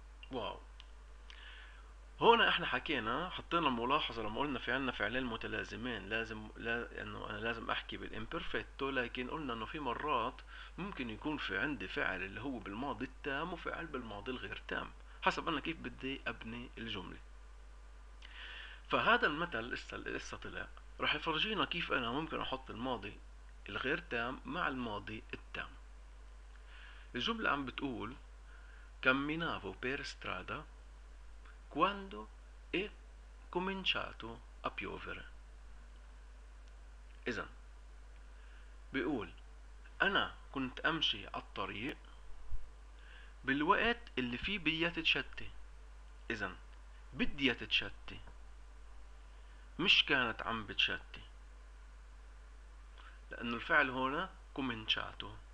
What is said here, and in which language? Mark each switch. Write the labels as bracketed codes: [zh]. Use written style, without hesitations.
[ar] واو، هون احنا حكينا، حطينا ملاحظة لما قلنا في عنا فعلين متلازمين، لازم انه انا لازم احكي بالامبرفيتو، لكن قلنا انه في مرات ممكن يكون في عندي فعل اللي هو بالماضي التام وفعل بالماضي الغير تام، حسب انا كيف بدي ابني الجملة. فهذا المثل لسه طلع، راح يفرجينا كيف انا ممكن احط الماضي الغير تام مع الماضي التام. الجملة عم بتقول [it] camminavo per strada quando è cominciato a piovere. [ar] إذا بيقول أنا كنت أمشي على الطريق بالوقت اللي فيه بدي تتشتي. إذا بدي تتشتي، مش كانت عم بتشتي، لأنه الفعل هنا cominciato.